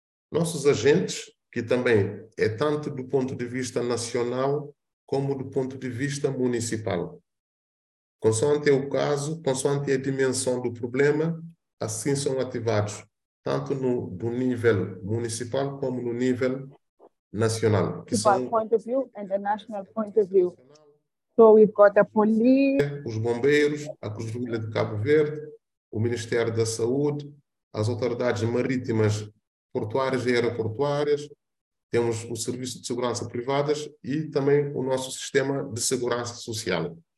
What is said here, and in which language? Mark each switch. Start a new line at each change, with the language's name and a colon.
Portuguese: Nossos agentes, que também é tanto do ponto de vista nacional como do ponto de vista municipal. Consoante o caso, consoante a dimensão do problema, assim são ativados, tanto do nível municipal como no nível nacional. Que são
English: point of view and the national point of view. So we've got the police,
Portuguese: os bombeiros, a Cruz Vermelha de Cabo Verde, o Ministério da Saúde, as autoridades marítimas, portuárias e aeroportuárias, temos o Serviço de Segurança Privadas e também o nosso sistema de segurança social.